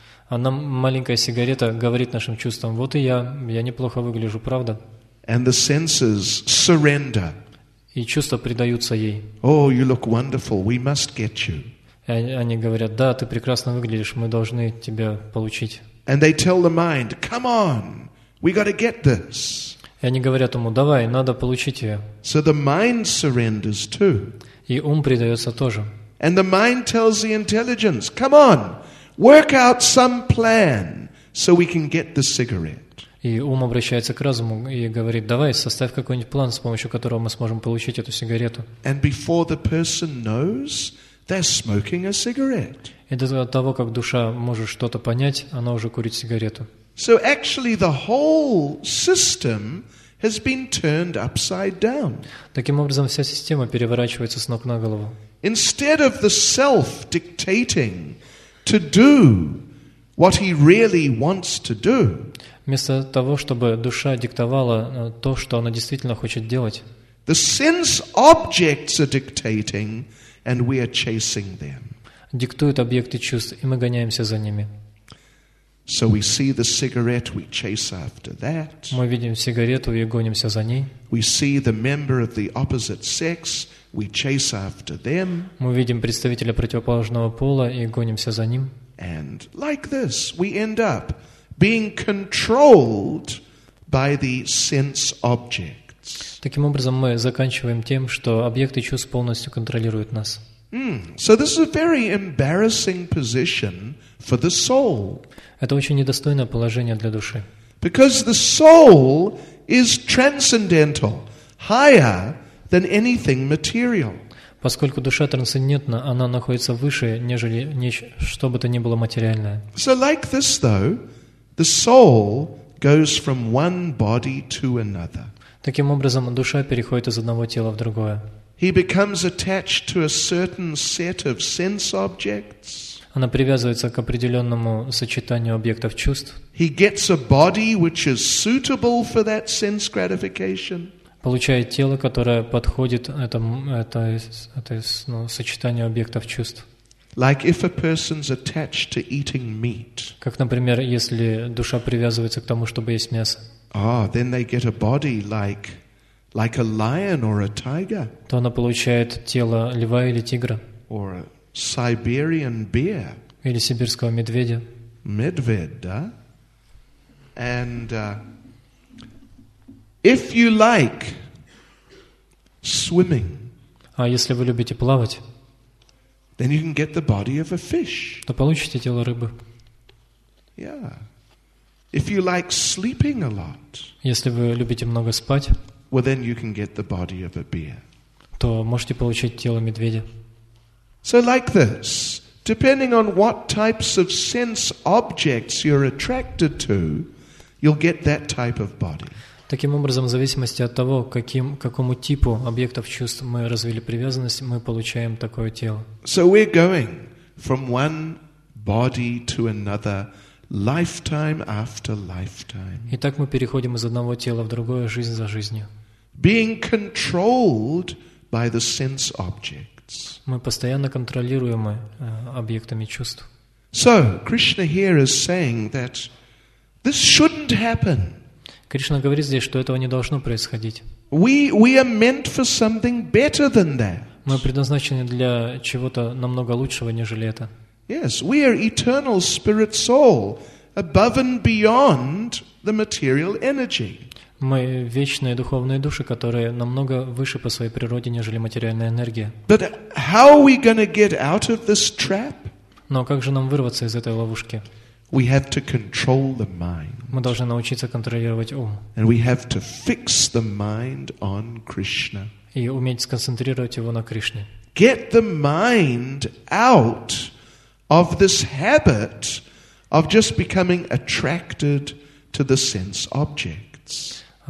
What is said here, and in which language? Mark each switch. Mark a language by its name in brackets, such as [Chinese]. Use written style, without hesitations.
[Russian] Одна маленькая сигарета говорит нашим чувствам: "Вот и я неплохо выгляжу, правда?" [English] And the senses surrender. [Russian] И чувства предаются ей. [English] Oh, you look wonderful. We must get you. [Russian] Они говорят: "Да, ты прекрасно выглядишь. Мы должны тебя получить." [English] And they tell the mind, "Come on, we got to get this." [Russian] И они говорят ему: "Давай, надо получить ее." [English] So the mind surrenders too. [Russian] И ум предается тоже. [English] And the mind tells the intelligence, "Come on, work out some plan so we can get the cigarette." [Russian] И ум обращается к разуму и говорит: "Давай, составь какой-нибудь план, с помощью которого мы сможем получить эту сигарету." [English] And before the person knows, they're smoking a cigarette. [Russian] И до того, как душа может что-то понять, она уже курит сигарету. [English] So actually the whole system has been turned upside down. [Russian] Таким образом, вся система переворачивается с ног на голову. [English] Instead of the self dictating to do what he really wants to do. [Russian] Вместо того, чтобы душа диктовала то, что она действительно хочет делать. [English] The sense objects are dictating and we are chasing them. [Russian] Диктуют объекты чувств, и мы гоняемся за ними. [English] So we see the cigarette, we chase after that. [Russian] Мы видим сигарету и гонимся за ней. [English] We see the member of the opposite sex, we chase after them. [Russian] Мы видим представителя противоположного пола и гонимся за ним. [English] And like this, we end up being controlled by the sense objects. [Russian] Таким образом, мы заканчиваем тем, что объекты чувств полностью контролируют нас. [English] So this is a very embarrassing position for the soul. [Russian] Это очень недостойное положение для души. [English] Because the soul is transcendental, higher than anything material. [Russian] Поскольку душа трансцендентна, она находится выше, нежели что бы то ни было материальное. [English] So like this though, the soul goes from one body to another. [Russian] Таким образом, душа переходит из одного тела в другое. [English] He becomes attached to a certain set of sense objects. [Russian] Она привязывается к определенному сочетанию объектов чувств. [English] He gets a body which is suitable for that sense gratification. [Russian] Получает тело, которое подходит этому сочетанию объектов чувств. [English] Like if a person's attached to eating meat. [Russian] Как, например, если душа привязывается к тому, чтобы есть мясо. [English] Ah, then they get a body like a lion or a tiger. [Russian] То она получает тело льва или тигра. [English] Or a Siberian bear. [Russian] Или сибирского медведя. Медведь, да? [English] And if you like swimming. [Russian] А если вы любите плавать? [English] Then you can get the body of a fish. [Russian] То получите тело рыбы. [English] Yeah. If you like sleeping a lot. [Russian] Если вы любите много спать. [English] Well, then you can get the body of a bear. [Russian] То можете получить тело медведя. [English] So like this, depending on what types of sense objects you're attracted to, you'll get that type of body. [Russian] Таким образом, в зависимости от того, какому типу объектов чувств мы развили привязанность, мы получаем такое тело. [English] So we're going from one body to another. Lifetime after lifetime. [Russian] Итак, мы переходим из одного тела в другое, жизнь за жизнью. [English] Being controlled by the sense objects. [Russian] Мы постоянно контролируемы объектами чувств. [English] So Krishna here is saying that this shouldn't happen. [Russian] Кришна говорит здесь, что этого не должно происходить. [English] We are meant for something better than that. [Russian] Мы предназначены для чего-то намного лучшего, нежели это. [English] Yes, we are eternal spirit soul above and beyond the material energy. [Russian] Мы вечные духовные души, которые намного выше по своей природе, нежели материальная энергия. [English] But how are we going to get out of this trap? [Russian] Но как же нам вырваться из этой ловушки? [English] We have to control the mind. [Russian] Мы должны научиться контролировать ум. [English] And we have to fix the mind on Krishna. [Russian] И уметь сконцентрировать его на Кришне. [English] Get the mind out of this habit of just becoming attracted to the sense objects.